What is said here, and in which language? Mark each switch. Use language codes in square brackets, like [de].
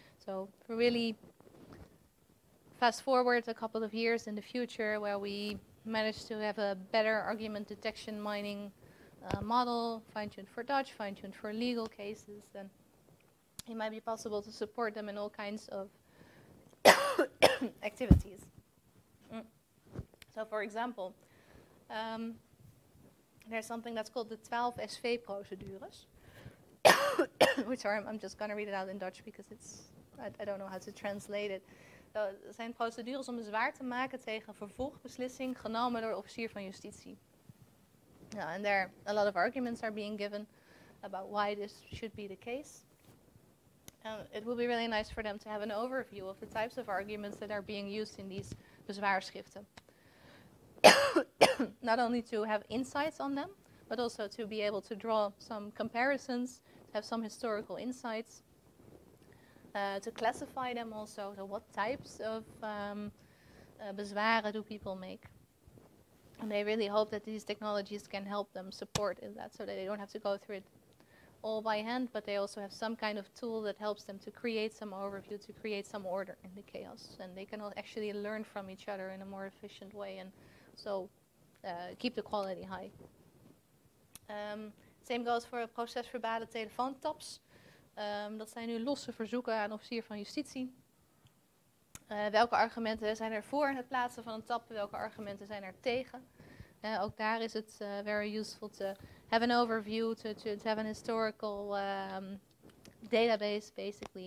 [en] So really fast forward a couple of years in the future where we managed to have a better argument detection mining model, fine-tuned for Dutch, fine-tuned for legal cases, then it might be possible to support them in all kinds of activities. So for example, there's something that's called the 12 SV procedures, which are, I'm just going to read it out in Dutch because it's, I don't know how to translate it. [nl] Zijn procedures om bezwaar te maken tegen vervolgbeslissing genomen door officier van justitie. [en] Yeah, and there a lot of arguments are being given about why this should be the case. It will be really nice for them to have an overview of the types of arguments that are being used in these bezwaarschriften. Not only to have insights on them, but also to be able to draw some comparisons, have some historical insights. To classify them also, so what types of bezwaren do people make? And they really hope that these technologies can help them support in that, so that they don't have to go through it all by hand, but they also have some kind of tool that helps them to create some overview, to create some order in the chaos. And they can actually learn from each other in a more efficient way, and so keep the quality high. Same goes for procesverbale telefoontaps. [nl] Dat zijn nu losse verzoeken aan officier van justitie. Welke argumenten zijn er voor het plaatsen van een tap? Welke argumenten zijn er tegen? Ook daar is het [en] very useful to have an overview, to have an historical database, basically.